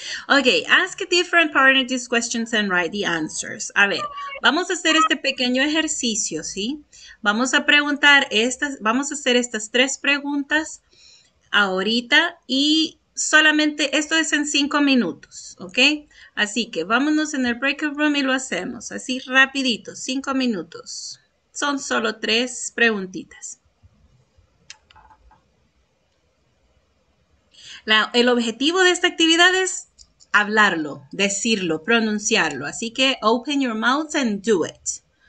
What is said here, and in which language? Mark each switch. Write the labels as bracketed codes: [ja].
[en] Okay, ask a different partner these questions and write the answers. [es] A ver, vamos a hacer este pequeño ejercicio, ¿sí? Vamos a preguntar estas, vamos a hacer estas tres preguntas ahorita y solamente esto es en 5 minutos, ¿ok? Así que vámonos en el breakout room y lo hacemos así rapidito, 5 minutos. Son solo 3 preguntitas. El objetivo de esta actividad es hablarlo, decirlo, pronunciarlo. Así que [en] open your mouth and do it.